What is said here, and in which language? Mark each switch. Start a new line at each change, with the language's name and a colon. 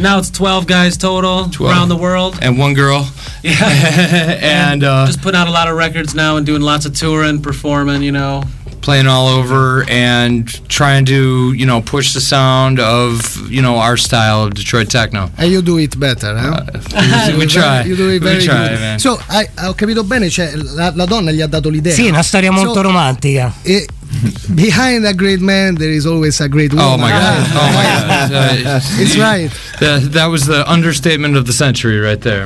English: Now it's 12 guys total, 12 around the world. And one girl. Yeah. and just putting out a lot of records now and doing lots of touring, performing, you know. Playing all over and trying to, you know, push the sound of, you know, our style of Detroit techno. And you do it better, huh? We try, man.
Italian: So, ho capito bene, cioè, la donna gli ha dato l'idea. Sì, una storia molto romantica.
English: Behind a great man, there is always a great woman. Oh my God! Oh my God! It's right. That was the understatement of the century, right there.